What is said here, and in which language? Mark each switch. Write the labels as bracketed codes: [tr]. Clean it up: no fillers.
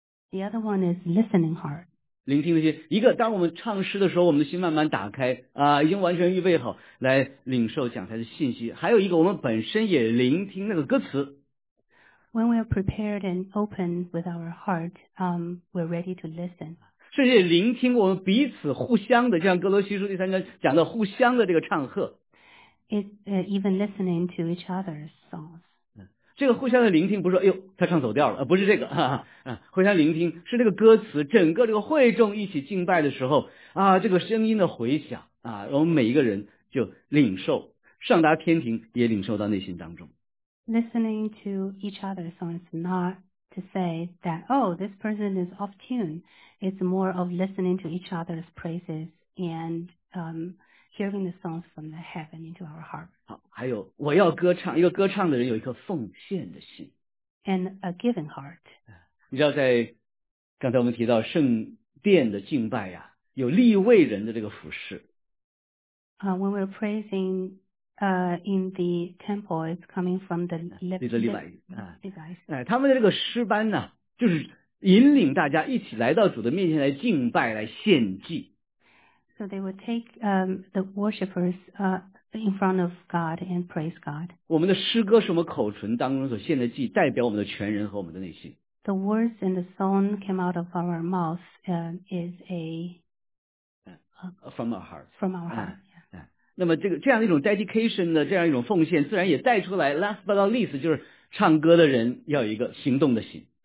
[en] The other one is listening heart. [zh] 聆听的心，一个当我们唱诗的时候，我们的心慢慢打开已经完全预备好来领受讲台的信息，还有一个我们本身也聆听那个歌词。 [en] When we are prepared and open with our heart, we're ready to listen. [zh] 甚至聆听我们彼此互相的，就像哥罗西书第三章讲的互相的这个唱和。 [en] It's even listening to each other's songs. [zh] 这个互相的聆听不是说他唱走调了不是这个互相聆听是那个歌词，整个这个会众一起敬拜的时候这个声音的回响我们每一个人就领受上达天庭，也领受到内心当中。 [en] Listening to each other's songs, not to say that, oh, this person is off tune. It's more of listening to each other's praises and hearing the songs from the heaven into our heart. [zh] 好，还有我要歌唱，一个歌唱的人有一颗奉献的心。 [en] And a giving heart. [zh] 你知道在刚才我们提到圣殿的敬拜有立位人的这个服饰。 [en] When we're praising in the temple, it's coming from the [zh] Levites. 他们的这个诗班呢，就是引领大家一起来到主的面前来敬拜，来献祭。 [en] So they would take the worshippers in front of God and praise God. [zh] 我们的诗歌是我们口唇当中所献的祭，代表我们的全人和我们的内心。 [en] The words and the song came out of our mouth is from our heart. From our heart. [zh] 那么这样一种 dedication 的这样一种奉献，自然也带出来 [en] last but not least [zh] 就是唱歌的人要有一个行动的心。